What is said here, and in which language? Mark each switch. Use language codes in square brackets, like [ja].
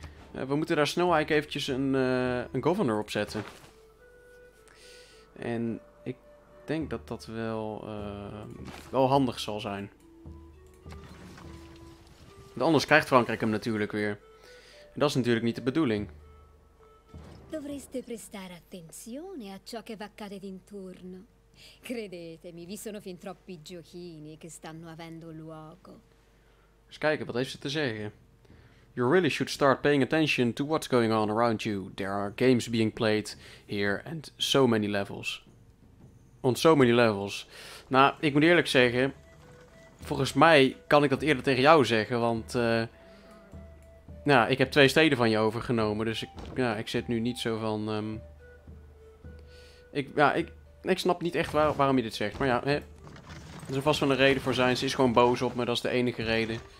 [nl] We moeten daar snel eigenlijk eventjes een governor op zetten. En ik denk dat dat wel handig zal zijn. Want anders krijgt Frankrijk hem natuurlijk weer. En dat is natuurlijk niet de bedoeling. [it] Dovreste prestare attenzione a ciò che va accade d'intorno. Credetemi, vi sono fin troppi giochini che stanno avendo luogo. [nl] Eens kijken, wat heeft ze te zeggen? [en] You really should start paying attention to what's going on around you. There are games being played here and so many levels. On so many levels. [nl] Nou, ik moet eerlijk zeggen, volgens mij kan ik dat eerder tegen jou zeggen, want... Nou, ik heb 2 steden van je overgenomen, dus ik zit nu niet zo van... Ik snap niet echt waarom je dit zegt, maar ja, er zal vast wel een reden voor zijn. Ze is gewoon boos op me, dat is de enige reden.